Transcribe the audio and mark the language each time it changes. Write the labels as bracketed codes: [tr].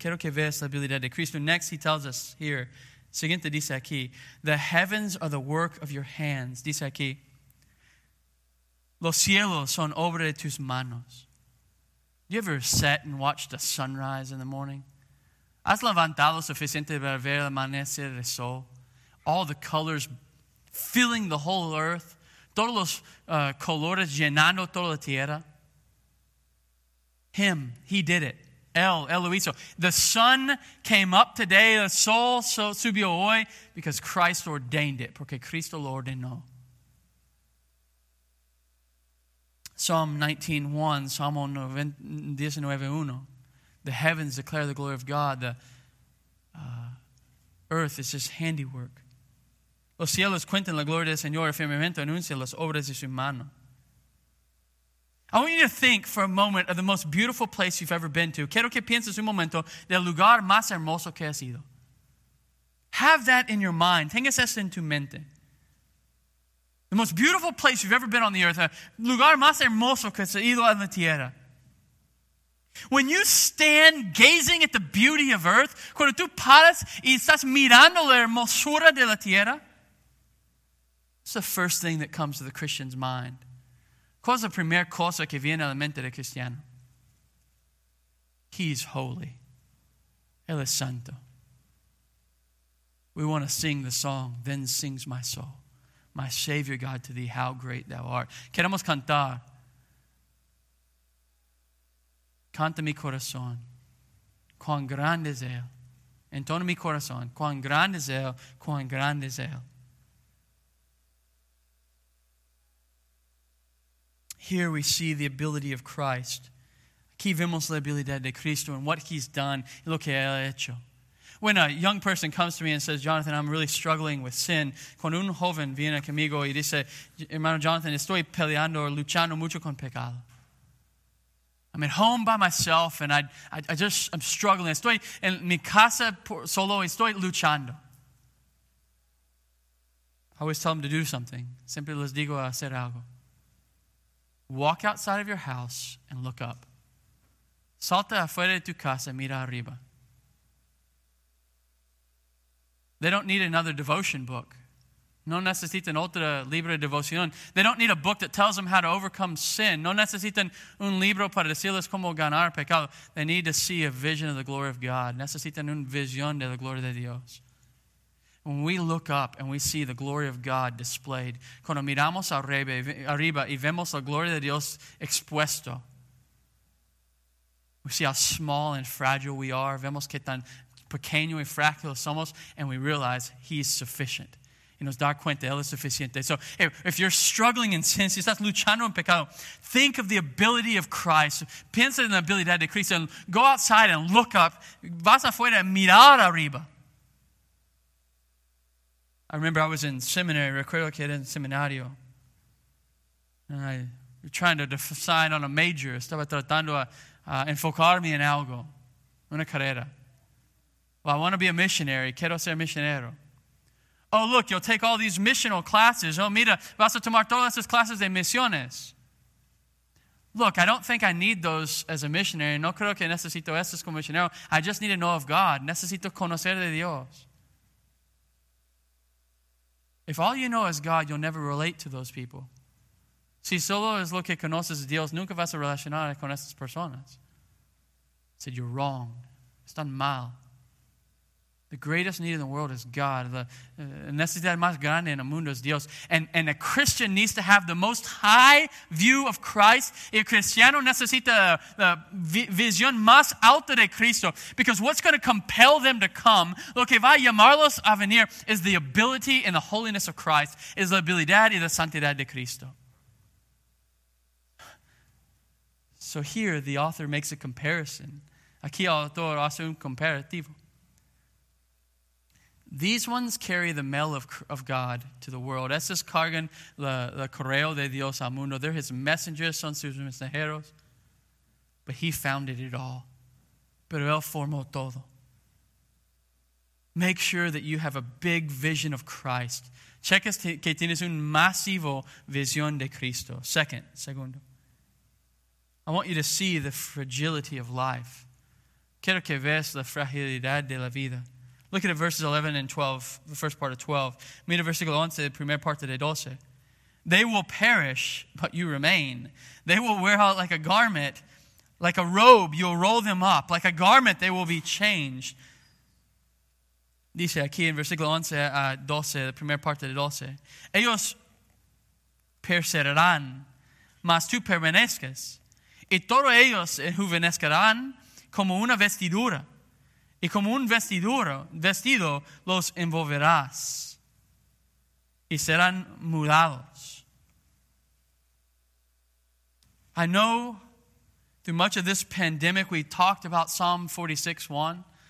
[es] Quiero que veas la habilidad de Cristo. [en] Next, he tells us here. [es] Siguiente dice aquí. [en] The heavens are the work of your hands. [es] Dice aquí. Los cielos son obra de tus manos. [en] You ever sat and watched a sunrise in the morning? [es] ¿Has levantado suficiente para ver el amanecer del sol? [en] All the colors filling the whole earth. [es] Todos los colores llenando toda la tierra. [en] Him, he did it. [es] El lo hizo. [en] The sun came up today, the [es] sol subió hoy, [en] because Christ ordained it, [es] porque Cristo lo ordenó. [en] Psalm 19:1, Psalm 19:1. The heavens declare the glory of God. The earth is his handiwork. [es] Los cielos cuentan la gloria del Señor. El firmamento anuncia las obras de su mano. [en] I want you to think for a moment of the most beautiful place you've ever been to. [es] Quiero que pienses un momento del lugar más hermoso que has ido. [en] Have that in your mind. [es] Tengas eso en tu mente. [en] The most beautiful place you've ever been on the earth. [es] Lugar más hermoso que has ido en la tierra. [en] When you stand gazing at the beauty of earth, [es] cuando tú paras y estás mirando la hermosura de la tierra, [en] it's the first thing that comes to the Christian's mind. [es] ¿Cuál es la primera cosa que viene a la mente del cristiano? [en] He's holy. [es] Él es santo. [en] We want to sing the song, then sings my soul. My Savior God to thee, how great thou art. [es] Queremos cantar. Canta mi corazón. Cuán grande es él. Entona mi corazón. Cuán grande es él. Cuán grande es él. [en] Here we see the ability of Christ. [es] Aquí vemos la habilidad de Cristo [en] and what he's done, [es] lo que él ha hecho. [en] When a young person comes to me and says, Jonathan, I'm really struggling with sin. [es] Cuando un joven viene conmigo y dice, hermano Jonathan, estoy peleando o luchando mucho con pecado. [en] I'm at home by myself and I'm struggling. [es] Estoy en mi casa solo y estoy luchando. [en] I always tell them to do something. [es] Siempre les digo a hacer algo. [en] Walk outside of your house and look up. [es] Salta afuera de tu casa, mira arriba. [en] They don't need another devotion book. [es] No necesitan otra libro de devoción. [en] They don't need a book that tells them how to overcome sin. [es] No necesitan un libro para decirles cómo ganar pecado. [en] They need to see a vision of the glory of God. [es] Necesitan una visión de la gloria de Dios. [en] When we look up and we see the glory of God displayed, [es] cuando miramos arriba y vemos la gloria de Dios expuesto, [en] we see how small and fragile we are, [es] vemos que tan pequeño y frágil somos, [en] and we realize he is sufficient. [es] Y nos da cuenta, él es suficiente. [en] So if you're struggling in sin, [es] si estás luchando en pecado, [en] think of the ability of Christ. [es] Piensa en la habilidad de Cristo. [en] And go outside and look up. [es] Vas afuera y mirar arriba. [en] I remember I was in seminary, [es] recuerdo que era en seminario. [en] And I was trying to decide on a major. [es] Estaba tratando a enfocarme en algo, una carrera. [en] Well, I want to be a missionary. [es] Quiero ser misionero. [en] Oh, look, you'll take all these missional classes. [es] Oh, mira, vas a tomar todas esas clases de misiones. [en] Look, I don't think I need those as a missionary. [es] No creo que necesito esas como misionero. [en] I just need to know of God. [es] Necesito conocer de Dios. [en] If all you know is God, you'll never relate to those people. [es] Si solo es lo que conoces Dios, nunca vas a relacionar con esas personas. [en] I said, you're wrong. [es] Están mal. [en] The greatest need in the world is God. [es] La necesidad más grande en el mundo es Dios. [en] And a Christian needs to have the most high view of Christ. [es] El cristiano necesita la visión más alta de Cristo. [en] Because what's going to compel them to come, [es] lo que va a llamarlos a venir, [en] is the ability and the holiness of Christ, is [es] la habilidad y la santidad de Cristo. [en] So here the author makes a comparison. [es] Aquí el autor hace un comparativo. [en] These ones carry the mail of God to the world. [es] Estos cargan la correo de Dios al mundo. [en] They're his messengers, [es] son sus mensajeros. [en] But he founded it all. [es] Pero él formó todo. [en] Make sure that you have a big vision of Christ. [es] Checa que tienes un masivo visión de Cristo. Segundo. [en] I want you to see the fragility of life. [es] Quiero que veas la fragilidad de la vida. [en] Look at verses 11 and 12, the first part of 12. [es] Mira versículo 11, primera parte de 12. [en] They will perish, but you remain. They will wear out like a garment, like a robe, you'll roll them up. Like a garment, they will be changed. [es] Dice aquí en versículo 11 a 12, la primera parte de 12. Ellos perecerán, mas tú permanezcas. y todos ellos enjuvenecerán como una vestidura, y como un vestido los envolverás, y serán mudados. [en] I know through much of this pandemic we talked about Psalm 46:1.